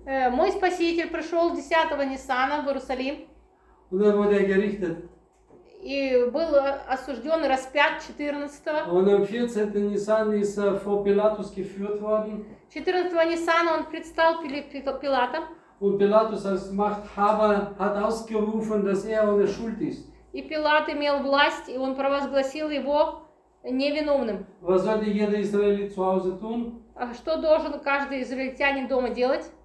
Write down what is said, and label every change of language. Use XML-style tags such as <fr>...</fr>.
<ru>Мой спаситель пришел 10 Нисана в Иерусалим.</ru> <de>Und dann wurde gerichtet.</de> <ru>И был осужден, распят 14-го. Он</ru> <de>am 14. Nisan ist vor Pilatus geführt worden.</de> <ru>14 Nisana он предстал Пилата.</ru> <de>Und Pilatus als Machthaber hat ausgerufen, dass ohne Schuld ist.</de> <ru>И Пилат имел власть, и он провозгласил его невиновным.</ru> <de>Was sollte jeder Israelit zu Hause tun?</de> <ru>Что должен каждый израильтянин дома делать?</ru>